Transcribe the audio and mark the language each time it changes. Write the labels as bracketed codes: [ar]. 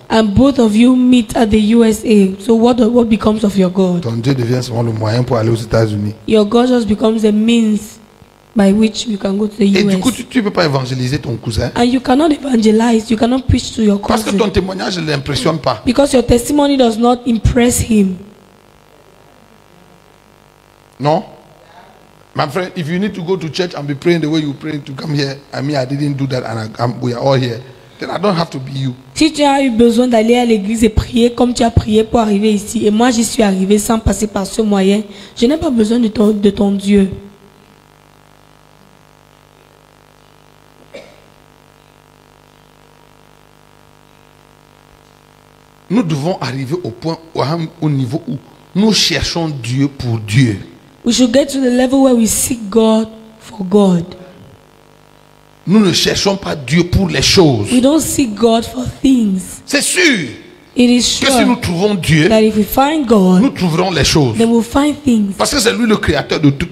[en] And both of you meet at the USA. So what becomes of your God? [fr] Ton Dieu devient seulement le moyen pour aller aux États-Unis. [en] Your God just becomes a means by which you can go to the US. [fr] Et du coup, tu peux pas évangéliser ton cousin. [en] And you cannot evangelize. You cannot preach to your cousin. [fr] Parce que ton témoignage ne l'impressionne pas. [en] Because your testimony does not impress him. [fr] Non? [en] My friend, if you need to go to church and be praying the way you pray to come here, I mean, I didn't do that, and we are all here. Then I don't have to be you. [fr] Si tu as eu besoin d'aller à l'église et prier comme tu as prié pour arriver ici, et moi j'y suis arrivé sans passer par ce moyen, je n'ai pas besoin de ton Dieu. Nous devons arriver au point, au niveau où nous cherchons Dieu pour Dieu. [en] We should get to the level where we seek God for God. [fr] Nous ne cherchons pas Dieu pour les choses. [en] We don't seek God for things. [fr] C'est sûr. [en] It is sure [fr] que si nous trouvons Dieu, [en] that if we find God, [fr] nous trouverons les choses. [en] Then we'll find things. [fr] Parce que c'est lui le créateur de toutes